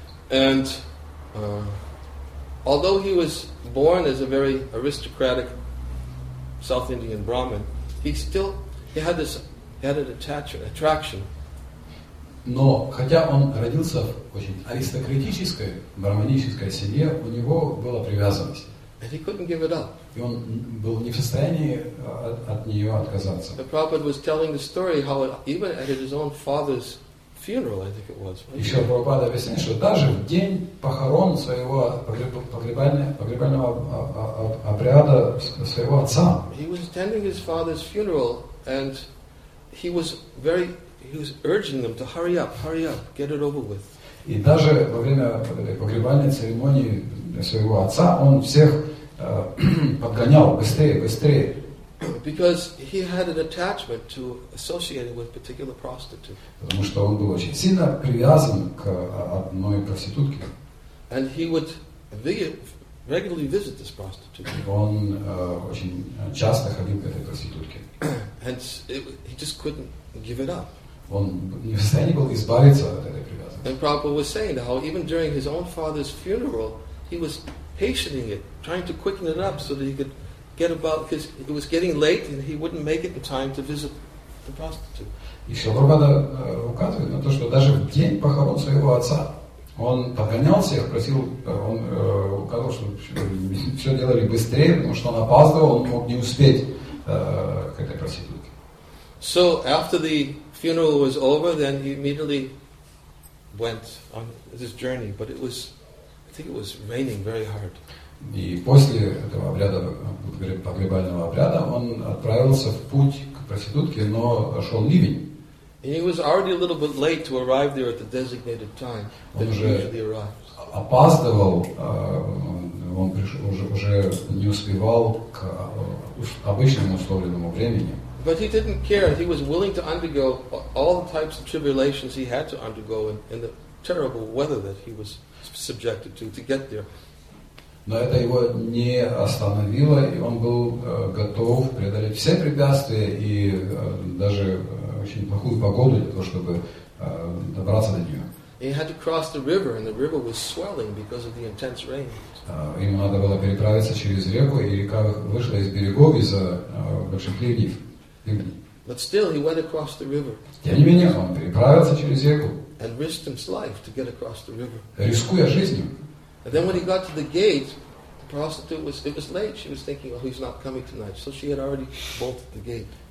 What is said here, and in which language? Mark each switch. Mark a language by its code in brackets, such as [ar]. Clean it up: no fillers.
[en] And although he was born as a very aristocratic South Indian Brahmin, he had an attraction. [ru] Но хотя он родился в очень аристократической брахманической семье, у него была привязанность. [en] And he couldn't give it up. [ru] И он был не в состоянии от нее отказаться. [en] And Prabhupada was telling the story how even at his own father's funeral, I think it was. [ru] Еще Прабхупада объясняет, что даже в день похорон своего погребального обряда своего отца. [en] He was attending his father's funeral, and he was urging them to hurry up, get it over with. [ru] И даже во время погребальной церемонии своего отца он всех подгонял быстрее. [en] Because he had an attachment to associating with a particular prostitute. [ru] Потому что он был очень сильно привязан к одной проститутке. [en] And he would regularly visit this prostitute. [ru] Он очень часто ходил к этой проститутке. [en] And he just couldn't give it up. [ru] Он не в состоянии был избавиться от этой привязанности. [en] And Prabhupada was saying how even during his own father's funeral, he was hastening it, trying to quicken it up so that he could get about, because it was getting late and he wouldn't make it in time to visit the prostitute. [ru] И Шрила Прабхупада указывает на то, что даже в день похорон своего отца он подгонял всех, просил, он указывал, чтобы все делали быстрее, потому что он опаздывал, он мог не успеть к этой проститутке. [en] So after the funeral was over, then he immediately went on this journey, but it was think it was raining very hard. [ru] И после этого обряда, погребального обряда, он отправился в путь к проститутке, но шел ливень. [en] He was already a little bit late to arrive there at the designated time that he usually arrives. [ru] Опаздывал, он пришел, уже не успевал к обычному условленному времени. [en] But he didn't care. He was willing to undergo all the types of tribulations he had to undergo in the terrible weather that he was subjected to get there. [ru] Но это его не остановило, и он был готов преодолеть все препятствия и даже очень плохую погоду для того, чтобы добраться до нее. [en] He had to cross the river, and the river was swelling because of the intense rain. [ru] Ему надо было переправиться через реку, и река вышла из берегов из-за больших ливней. [en] But still, he went across the river. [ru] Тем не менее, он переправился через реку. [en] And risked his life to get across the river. [ru] Рискуя жизнью. [en] And then when he got to the gate, the prostitute was, it was late, she was thinking, oh, he's not coming tonight. So she had already bolted the gate.